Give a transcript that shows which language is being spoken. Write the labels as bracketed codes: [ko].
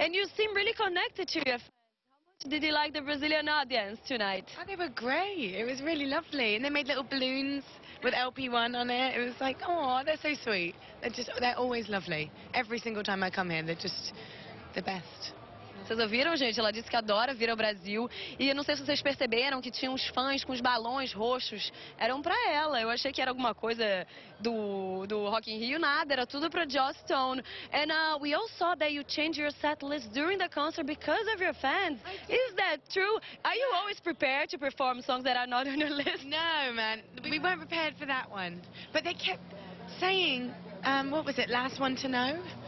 [en] And you seem really connected to your fans. How much did you like the Brazilian audience tonight? Oh, they were great. It was really lovely. And they made little balloons with LP1 on it. It was like, oh, they're so sweet. They're always lovely. Every single time I come here, they're just the best. [pt] Vocês ouviram, gente? Ela disse que adora vir ao Brasil. E eu não sei se vocês perceberam que tinha uns fãs com os balões roxos. Eram pra ela. Eu achei que era alguma coisa do Rock in Rio. Nada, era tudo pra Justin. [en] And we all saw that you changed your set list during the concert because of your fans. Is that true? Are you always prepared to perform songs that are not on your list? No, man. We weren't prepared for that one. But they kept saying, what was it, last one to know?